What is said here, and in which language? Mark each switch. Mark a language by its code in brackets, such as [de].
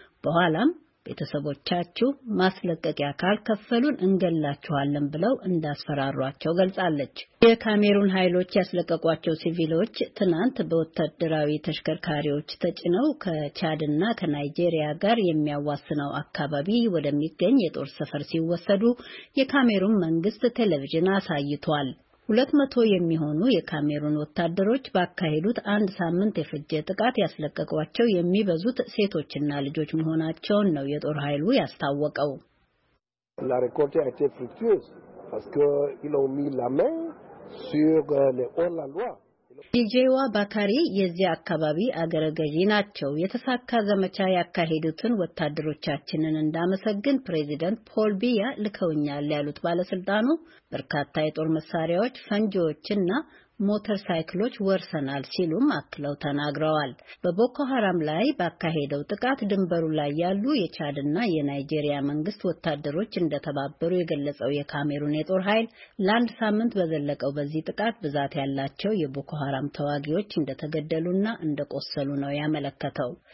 [am] በኋላም በተሰቦቻቹ ማስለቀቂያ ካል ከፈሉን እንገላቸዋለን ብለው እንዳስፈራሯቸው ገልጻለች። የካሜሩን ኃይሎች ያስለቀቋቸው ሲቪሎች ትናንት በወታደራዊ ተሽከርካሪዎች ተጭነው ከቻድና ከናይጄሪያ ጋር የሚያዋስነው አካባቢ ወደሚገኝ የጦር ሰፈር ሲወሰዱ የካሜሩን መንግስት ቴሌቪዥን አሳይቷል። 200 የሚሆኑ የካሜሩን ወታደሮች ባካሄዱት አንድ ሳምንት የፈጀ ጥቃት ያስለቀቋቸው የሚበዙት ሴቶችና ልጆች መሆናቸውን ነው የጦር ኃይሉ ያስታወቀው። [fr] La récolte a été fructueuse parce que ils ont mis la main sur les hors la loi. [am] ዲጄዋ ባካሪ የዚህ አካባቢ አገረገዢ ናቸው። የተሳካ ዘመቻ ያካሄዱትን ወታደሮቻችንን እንዳመሰግን ፕሬዚደንት ፖል ቢያ ልከውኛል ያሉት ባለስልጣኑ በርካታ የጦር መሳሪያዎች፣ ፈንጂዎችና ሞተር ሳይክሎች ወርሰናል ሲሉም አክለው ተናግረዋል። በቦኮ ሐራም ላይ ባካሄደው ጥቃት ድንበሩ ላይ ያሉ የቻድና የናይጄሪያ መንግስት ወታደሮች እንደተባበሩ የገለጸው የካሜሩን የጦር ኃይል ለአንድ ሳምንት በዘለቀው በዚህ ጥቃት ብዛት ያላቸው የቦኮ ሐራም ተዋጊዎች እንደተገደሉና እንደቆሰሉ ነው ያመለከተው።